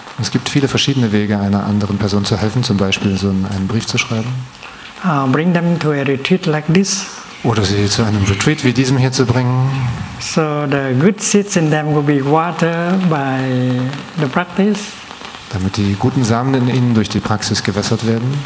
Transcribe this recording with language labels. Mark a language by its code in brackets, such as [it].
[de] Es gibt viele verschiedene Wege, einer anderen Person zu helfen, zum Beispiel so einen Brief zu schreiben. [en] Bring them to a retreat like this. [de] Oder sie zu einem Retreat wie diesem hier zu bringen. [en] So the good seeds in them will be watered by the practice. [de] Damit die guten Samen in ihnen durch die Praxis gewässert werden.